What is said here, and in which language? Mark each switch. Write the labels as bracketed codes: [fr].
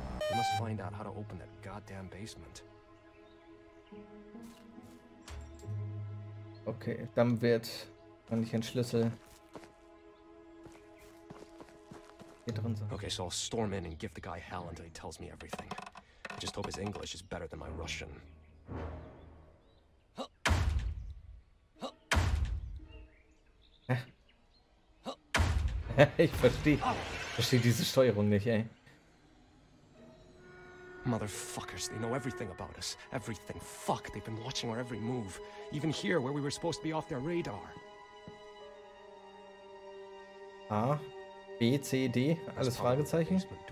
[en] We must find out how to open that goddamn basement. [de] Okay, dann wird man nicht ein Schlüssel. [en] Okay, so I'll storm in and give the guy hell until he tells me everything. I just hope his English is better than my Russian. [de] Ich verstehe diese Steuerung nicht, ey. [en] Motherfuckers, they know everything about us. Everything. Fuck, they've been watching our every move. Even here, where we were supposed to be off their radar. Ah. [de] B, C, D, alles Fragezeichen.